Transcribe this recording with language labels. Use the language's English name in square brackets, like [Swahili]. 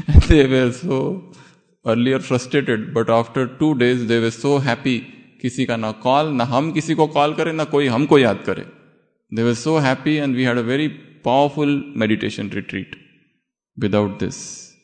[English] They were so earlier frustrated, but after 2 days they were so happy. [Hindi] किसी का ना call, ना हम किसी को कॉल करें, ना कोई हमको याद करे। [English] They were so happy and we had a very powerful meditation retreat without this.